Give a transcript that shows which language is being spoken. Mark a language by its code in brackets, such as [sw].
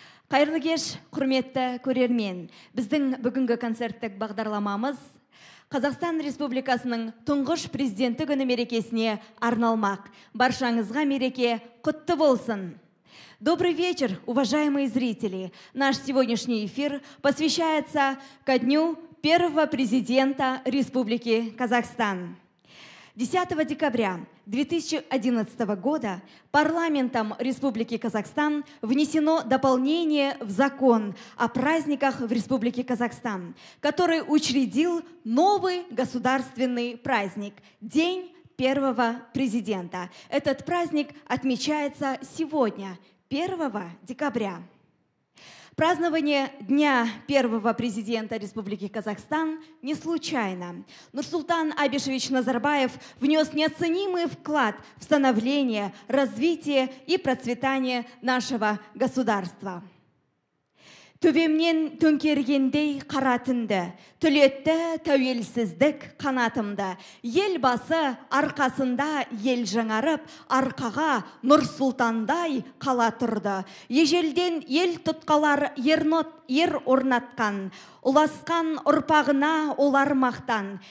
[kk] Қайырлы кеш, құрметті көрермен. Біздің бүгінгі концерттік бағдарламамыз Қазақстан Республикасының тұңғыш президенті күні мерекесіне арналмақ. Баршаңызға мереке құтты болсын. [ru] Добрый вечер, уважаемые зрители. Наш сегодняшний эфир посвящается ко дню первого президента Республики Казахстан. 10 декабря 2011 года парламентом Республики Казахстан внесено дополнение в закон о праздниках в Республике Казахстан, который учредил новый государственный праздник – День первого президента. Этот праздник отмечается сегодня, 1 декабря. Празднование Дня первого президента Республики Казахстан не случайно. Нурсултан Абишевич Назарбаев внес неоценимый вклад в становление, развитие и процветание нашего государства. [kk] Төбемнен төңкергендей қаратынды, түлетті тәуелсіздік қанатымды. Ел басы арқасында ел жаңарып, арқаға Нұрсұлтандай қала тұрды. Ежелден ел тұтқалар ер орнатқан, ұласқан ұрпағына олар мақтан.